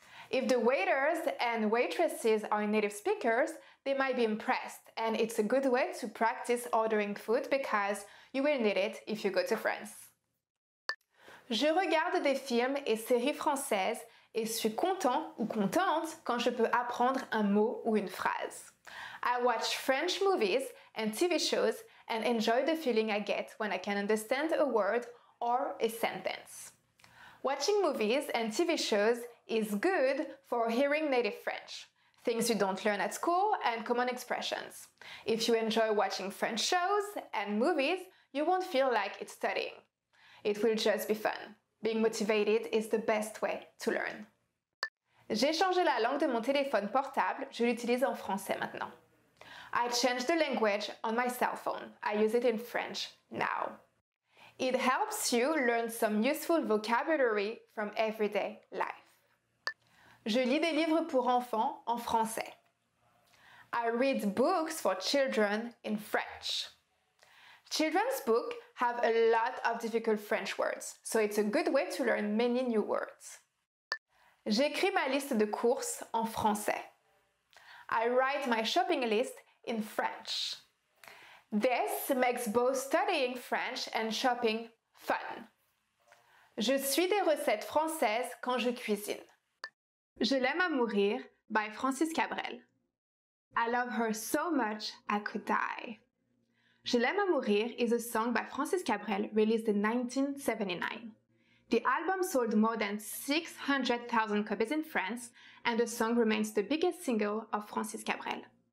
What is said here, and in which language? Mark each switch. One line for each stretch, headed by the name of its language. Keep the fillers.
English: If the waiters and waitresses are native speakers, they might be impressed, and it's a good way to practice ordering food because you will need it if you go to France.
French: Je regarde des films et séries françaises et suis content ou contente quand je peux apprendre un mot ou une phrase.
English: I watch French movies and TV shows and enjoy the feeling I get when I can understand a word or a sentence. Watching movies and TV shows is good for hearing native French, things you don't learn at school and common expressions. If you enjoy watching French shows and movies, you won't feel like it's studying. It will just be fun. Being motivated is the best way to learn.
French: J'ai changé la langue de mon téléphone portable, je l'utilise en français maintenant.
English: I changed the language on my cell phone. I use it in French now. It helps you learn some useful vocabulary from everyday life.
French: Je lis des livres pour enfants en français.
English: I read books for children in French. Children's books have a lot of difficult French words, so it's a good way to learn many new words.
French: J'écris ma liste de courses en français.
English: I write my shopping list in French. This makes both studying French and shopping fun.
French: Je suis des recettes françaises quand je cuisine. Je l'aime à mourir by Francis Cabrel.
English: I love her so much I could die. Je l'aime à mourir is a song by Francis Cabrel released in 1979. The album sold more than 600,000 copies in France, and the song remains the biggest single of Francis Cabrel.